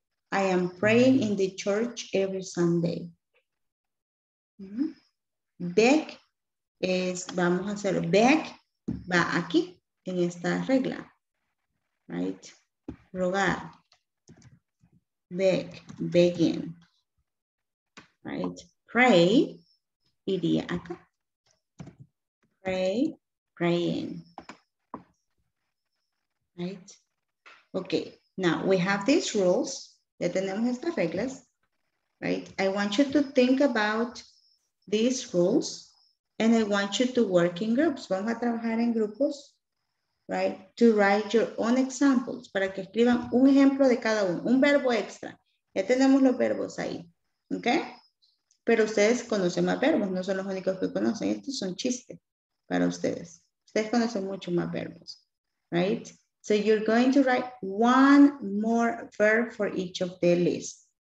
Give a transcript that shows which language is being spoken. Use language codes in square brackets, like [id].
[en] I am praying in the church every Sunday. Mm-hmm. [es] Beg es, vamos a hacer, beg va aquí en esta regla. [en] Right? Rogar. Beg, begging. Right? Pray [es] iría acá. [en] Pray, praying. Right? Okay. Now we have these rules. [es] Ya tenemos estas reglas. [en] Right? I want you to think about these rules and I want you to work in groups. [es] Vamos a trabajar en grupos. [en] Right? To write your own examples. [es] Para que escriban un ejemplo de cada uno. Un verbo extra. Ya tenemos los verbos ahí. Okay? Pero ustedes conocen más verbos. No son los únicos que conocen. Estos son chistes para ustedes. Ustedes conocen mucho más verbos. [en] Right? So you're going to write one more verb for each of the list.